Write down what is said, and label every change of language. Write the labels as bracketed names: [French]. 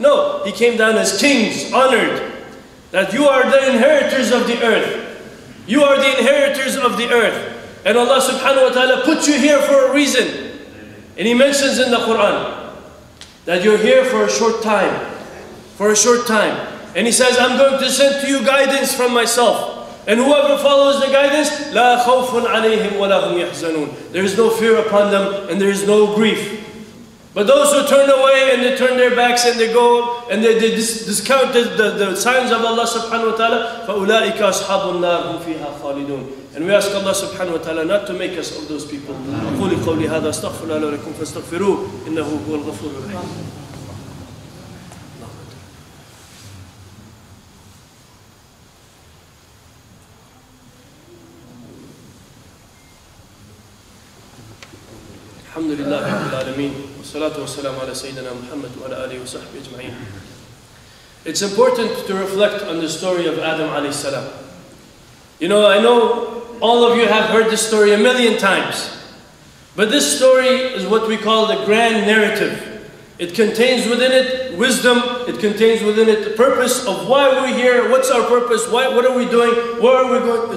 [English] No, he came down as kings, honored. That you are the inheritors of the earth. You are the inheritors of the earth. And Allah subhanahu wa ta'ala put you here for a reason. And he mentions in the Quran that you're here for a short time. For a short time. And he says, I'm going to send to you guidance from myself. And whoever follows the guidance, [Arabic] لا خوف عليهم ولا هم يحزنون. [English] There is no fear upon them and there is no grief. But those who turn away and they turn their backs and they go and they discount the signs of Allah subhanahu wa ta'ala, [Arabic] فَأُولَٰئِكَ أَصْحَابُ النَّارِ هُمْ فِيهَا خَالِدُونَ. [English] And we ask Allah subhanahu wa ta'ala not to make us of those people. [Arabic] أَقُولِ قَوْلِ هَذَا أَسْتَغْفِرُ اللَّهَ لَكُمْ فَاسْتَغْفِرُوهُ إِنَّهُ هُوَ الْغَفُورُ الرَّحِيمُ. الحمد لله رب العالمين والصلاة والسلام على سيدنا محمد وعلى آله وصحبه أجمعين. [English] It's important to reflect on the story of Adam عليه السلام. You know, I know all of you have heard this story a million times, but this story is what we call the grand narrative. It contains within it wisdom, it contains within it the purpose of why we're here, what's our purpose, why, what are we doing, where are we going.